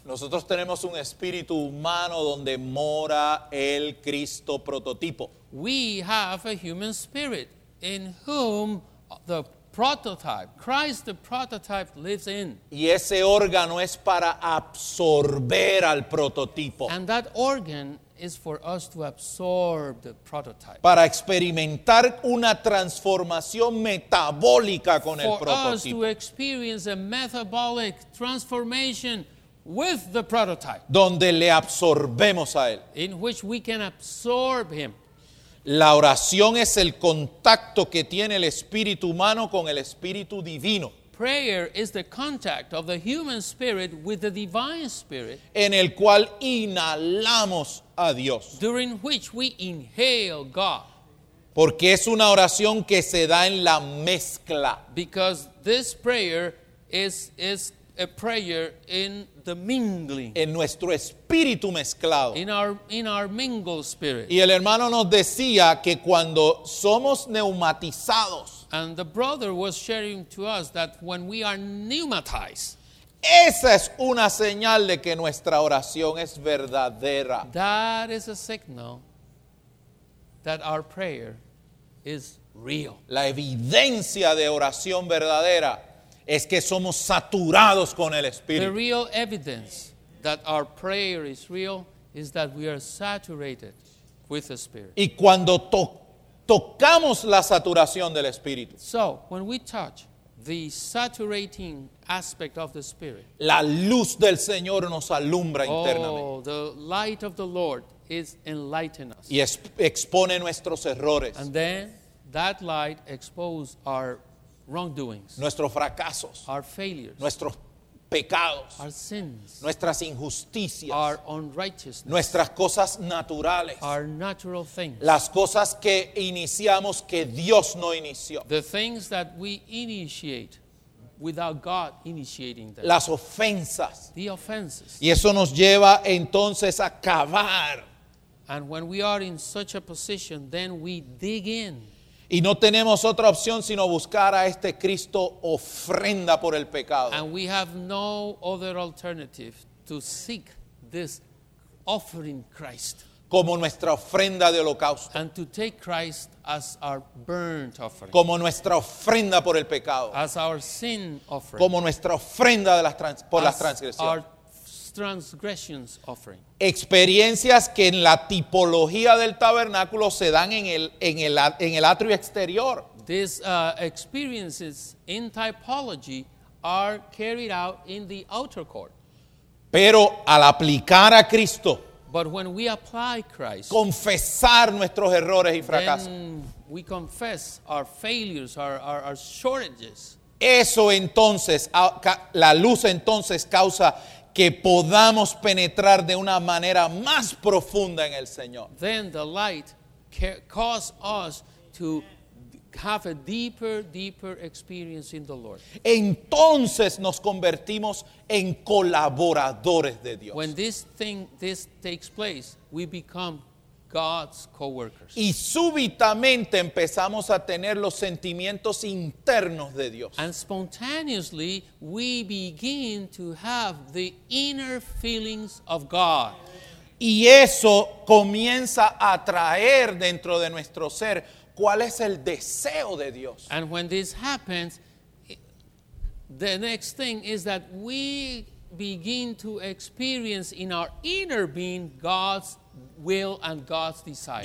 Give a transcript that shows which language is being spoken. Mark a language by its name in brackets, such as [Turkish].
[Spanish] Nosotros tenemos un espíritu humano donde mora el Cristo prototipo. [English] We have a human spirit in whom the prototype. Christ the prototype lives in. [Spanish] Y ese órgano es para absorber al prototipo. [English] And that organ is for us to absorb the prototype. [Spanish] Para experimentar una transformación metabólica con [English] for [Spanish] el prototipo. [English] For us to experience a metabolic transformation with the prototype. [Spanish] Donde le absorbemos a él. [English] In which we can absorb him. [Spanish] La oración es el contacto que tiene el espíritu humano con el espíritu divino. [English] Prayer is the contact of the human spirit with the divine spirit. [Spanish] En el cual inhalamos a Dios. [English] During which we inhale God. [Spanish] Porque es una oración que se da en la mezcla. [English] Because this prayer is a prayer in the mingling. [Spanish] En nuestro espíritu mezclado. [English] In our mingled spirit. [Spanish] Y el hermano nos decía que cuando somos neumatizados. [English] And the brother was sharing to us that when we are pneumatized. [Spanish] Esa es una señal de que nuestra oración es verdadera. [English] That is a signal that our prayer is real. [Spanish] La evidencia de oración verdadera es que somos saturados con el Espíritu. [English] The real evidence that our prayer is real is that we are saturated with the Spirit. [Spanish] Y cuando tocamos la saturación del Espíritu. [English] So, when we touch the saturating aspect of the Spirit. [Spanish] La luz del Señor nos alumbra internamente. [English] Oh, the light of the Lord is enlightening us. [Spanish] Y expone nuestros errores. [English] And then that light exposes our wrongdoings. [Spanish] Nuestros fracasos. [English] Our failures. [Spanish] Nuestros pecados. [English] Our sins. [Spanish] Nuestras injusticias. [English] Our unrighteousness. [Spanish] Nuestras cosas naturales. [English] Our natural things. [Spanish] Las cosas que iniciamos que Dios no inició. [English] The things that we initiate without God initiating them. [Spanish] Las ofensas. [English] The offenses. [Spanish] Y eso nos lleva entonces a cavar. [English] And when we are in such a position, then we dig in. [Spanish] Y no tenemos otra opción sino buscar a este Cristo ofrenda por el pecado. [English] And we have no other alternative to seek this offering Christ. [Spanish] Como nuestra ofrenda de holocausto. [English] And to take Christ as our burnt offering. [Spanish] Como nuestra ofrenda por el pecado. [English] As our sin offering. [Spanish] Como nuestra ofrenda de las transgresiones. [English] Our transgressions offering. [Spanish] Experiencias que en la tipología del tabernáculo se dan en el atrio exterior. [English] These experiences in typology are carried out in the outer court. [Spanish] Pero al aplicar a Cristo. [English] But when we apply Christ, [Spanish] confesar nuestros errores y fracasos, [English] then we confess our failures, our shortages. [Spanish] Eso entonces, la luz entonces causa que podamos penetrar de una manera más profunda en el Señor. [English] Then the light causes us to have a deeper experience in the Lord. [Spanish] Entonces nos convertimos en colaboradores de Dios. [English] When this takes place, we become God's co-workers. [Spanish] Y súbitamente empezamos a tener los sentimientos internos de Dios. [English] And spontaneously, we begin to have the inner feelings of God. [Spanish] Y eso comienza a traer dentro de nuestro ser. ¿Cuál es el deseo de Dios? [English] And when this happens, the next thing is that we begin to experience in our inner being God's will and God's desire.